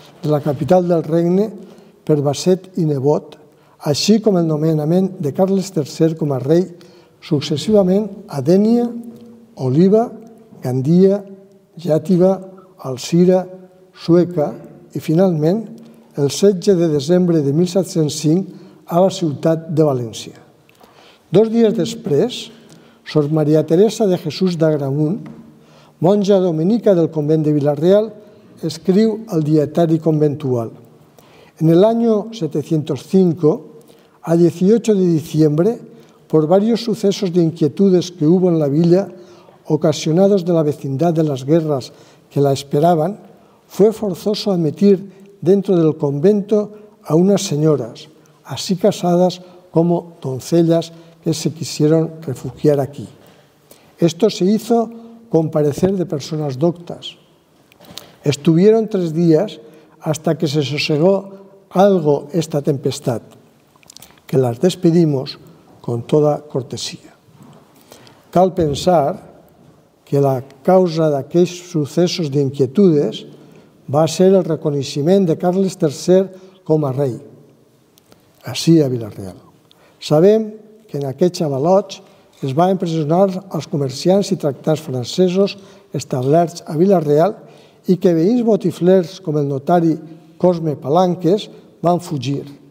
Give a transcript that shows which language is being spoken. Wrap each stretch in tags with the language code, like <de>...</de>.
<ca>la capital del regne per Basset i Nebot, així com el nomenament de Carles III com a rei successivament a Dénia, Oliva, Gandia, Llàtiva, Alzira, Sueca i, finalment, el 16 de desembre de 1705 a la ciutat de València. Dos dies després, Sor Maria Teresa de Jesús d'Agramunt, monja dominica del convent de Vila-real, escriu al dietari conventual:</ca> <es>en el año 705, a 18 de diciembre, por varios sucesos de inquietudes que hubo en la villa, ocasionados de la vecindad de las guerras que la esperaban, fue forzoso admitir dentro del convento a unas señoras, así casadas como doncellas, que se quisieron refugiar aquí. Esto se hizo con parecer de personas doctas. Estuvieron tres días hasta que se sosegó algo esta tempestad, que las despedimos con toda cortesía.</es> <ca>Cal pensar que la causa d'aquells successos d'inquietudes va ser el reconeixement de Carles III com a rei, així a Vila-real. Sabem que en aquests avalots es va empresonar els comerciants i tractats francesos establerts a Vila-real i que veïns botiflers com el notari Cosme Palanques van fugir.</ca>